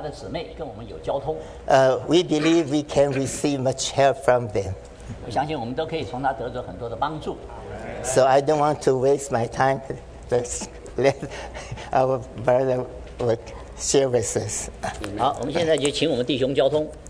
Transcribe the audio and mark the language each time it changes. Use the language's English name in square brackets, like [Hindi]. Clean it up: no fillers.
[Chinese] 所以我们要把这整个周末，让我们弟兄在这里跟他的姊妹跟我们有交通。 [English] We believe we can receive much help from them. [Chinese] 我相信我们都可以从他得到很多的帮助。 [English] So I don't want to waste my time. Let's let our brother work services. [Chinese] 好，我们现在就请我们弟兄交通。